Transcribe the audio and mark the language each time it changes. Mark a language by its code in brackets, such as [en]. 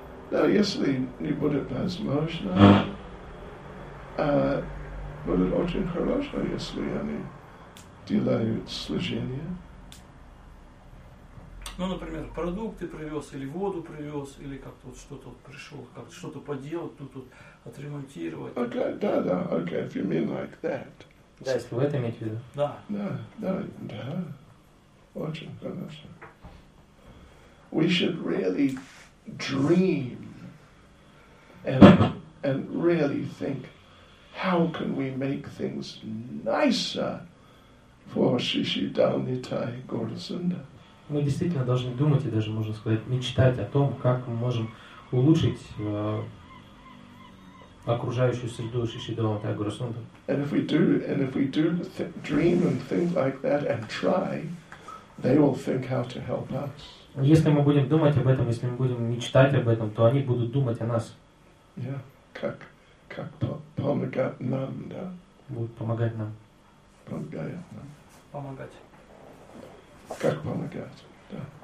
[ru] Но если не будет возможно, будет очень хорошо, если они делают служение. Ну, например, продукты привез, или воду привез, или как-то вот что-то вот пришел, как-то что-то поделать, тут отремонтировать. [en] Okay, да, okay, if you mean like that. [ru] Да, если вы это имеете в виду. Да. Да. Очень хорошо. [en] We should really dream and really think, how can we make things nicer for Shishi Dalnitai Gorasunda? [ru] Мы действительно должны думать и даже, можно сказать, мечтать о том, как мы можем улучшить окружающую среду Шиши Дамонтай Гурасунда. [en] And if we do dream and think like that and try, they will think how to help us. [ru] Если мы будем думать об этом, если мы будем мечтать об этом, то они будут думать о нас. [en] Yeah, [ru] как помогать нам, да? Будут помогать нам. Помогают нам. Помогать. Как помогать, да.